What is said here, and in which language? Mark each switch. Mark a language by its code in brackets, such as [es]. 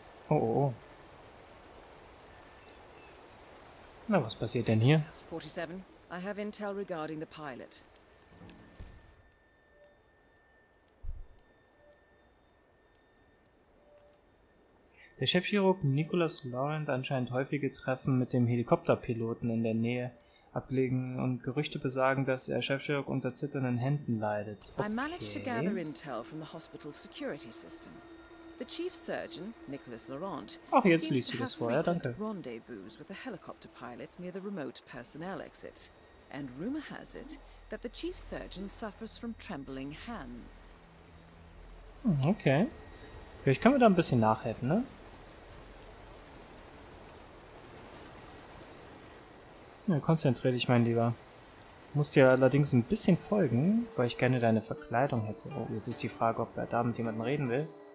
[de] Oh, oh, oh. Na, was passiert denn hier? [en] 47, I have intel regarding the pilot. [de] Der Chefchirurg Nicholas Laurent anscheinend häufige Treffen mit dem Helikopterpiloten in der Nähe ablegen und Gerüchte besagen, dass der Chefchirurg unter zitternden Händen leidet. [en] Okay. I managed to gather intel from the hospital's security system. The chief surgeon, Nicholas Laurent, [de] ach, jetzt liest du das vorher, danke. [en] Rendezvous with the helicopter pilot near the remote personnel exit. And rumor has it that the chief surgeon suffers from trembling hands. Okay. [de] Vielleicht können wir da ein bisschen nachhelfen, ne? Ja, konzentrier dich, mein Lieber. Muss dir allerdings ein bisschen folgen, weil ich gerne deine Verkleidung hätte. Oh, jetzt ist die Frage, ob er da mit jemandem reden will.